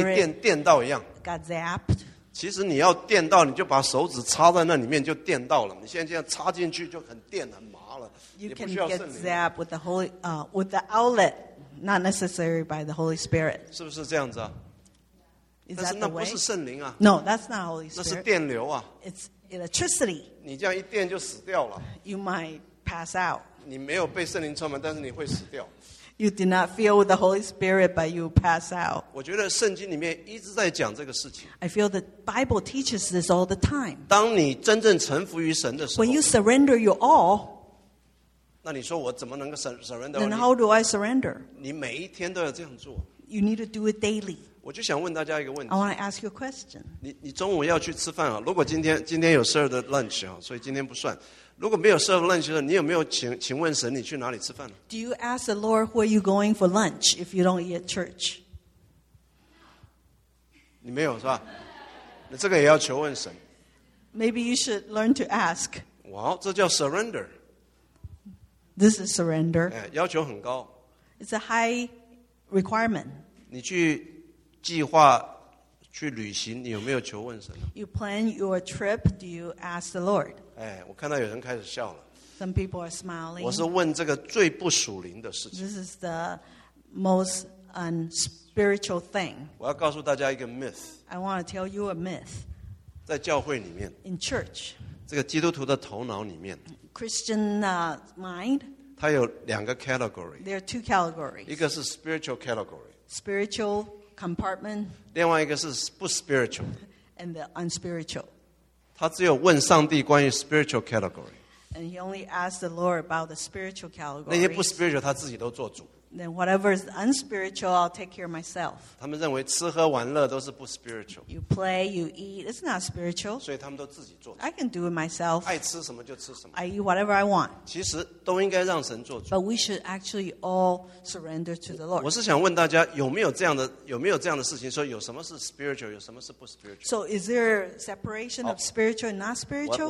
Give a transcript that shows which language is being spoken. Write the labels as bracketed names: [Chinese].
[Chinese] 好像被电到一样。 [English] Got zapped. [Chinese] 其实你要电到，你就把手指插在那里面就电到了。你现在这样插进去就很电、很麻了。 [English] You can get zapped with the holy, with the outlet, not necessary by the Holy Spirit. [Chinese] 是不是这样子啊？但是那不是圣灵啊。 [English] No, that's not Holy Spirit. [Chinese] 那是电流啊。 [English] It's electricity. [Chinese] 你这样一电就死掉了。 [English] You might pass out. [Chinese] 你没有被圣灵充满，但是你会死掉。 [English] You did not feel with the Holy Spirit, but you pass out. [Chinese] 我觉得圣经里面一直在讲这个事情。 [English] I feel the Bible teaches this all the time. [Chinese] 当你真正臣服于神的时候。 [English] When you surrender your all. [Chinese] 那你说我怎么能够 surrender? [English] Then how do I surrender? [Chinese] 你每一天都要这样做。 [English] You need to do it daily. [Chinese] 我就想问大家一个问题。 [English] I want to ask you a question. [Chinese] 你中午要去吃饭啊？如果今天有serve的lunch啊，所以今天不算。如果没有serve lunch的，你有没有请问神你去哪里吃饭呢 [English] ？Do you ask the Lord where you going for lunch if you don't eat at church？ [Chinese] 你没有是吧？那这个也要求问神。 [English] Maybe you should learn to ask。 [Chinese] 哇，这叫 surrender。 [English] This is surrender。 [Chinese] 哎，要求很高。 [English] It's a high requirement。 [Chinese] 你去计划去旅行，你有没有求问神 [English] ？You plan your trip. Do you ask the Lord？ [Chinese] 哎，我看到有人开始笑了。 [English] Some people are smiling. [Chinese] 我是问这个最不属灵的事情。 [English] This is the most unspiritual thing. [Chinese] 我要告诉大家一个 myth. [English] I want to tell you a myth. [Chinese] 在教会里面。 [English] In church. [Chinese] 这个基督徒的头脑里面。 [English] Christian mind. [Chinese] 它有两个 category. [English] There are two categories. [Chinese] 一个是 [English] spiritual category. Spiritual compartment. [Chinese] 另外一个是不 spiritual. [English] and the unspiritual. [Chinese] 他只有问上帝关于 [English] spiritual category. And he only asked the Lord about the spiritual category. [Chinese] 那些不spiritual他自己都做主。 [English] Then whatever is unspiritual, I'll take care of myself. [Chinese] 他们认为吃喝玩乐都是不spiritual. [English] You play, you eat, it's not spiritual. [Chinese] 所以他们都自己做主。 [English] I can do it myself. [Chinese] 爱吃什么就吃什么。 [English] I eat whatever I want. [Chinese] 其实都应该让神做主。 [English] But we should actually all surrender to the Lord. [Chinese] 我是想问大家有没有这样的事情, 说有什么是spiritual, 有什么是不spiritual? [English] So is there separation of spiritual and not spiritual?